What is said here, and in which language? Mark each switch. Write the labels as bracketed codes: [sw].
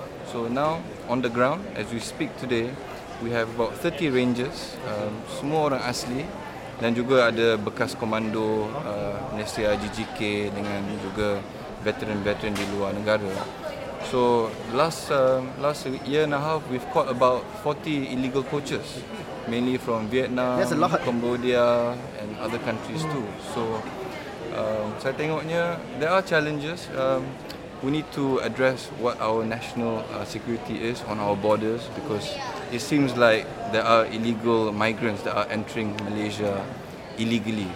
[en] So now on the ground as we speak today, we have about 30 rangers, [ms] semua orang asli. Dan juga ada bekas komando Malaysia JJK dengan juga veteran-veteran di luar negara. [en] So last year and a half, we've caught about 40 illegal poachers, mainly from Vietnam, Cambodia and other countries too. So [ms] saya tengoknya, [en] there are challenges. We need to address what our national security is on our borders, because it seems like there are illegal migrants that are entering Malaysia illegally.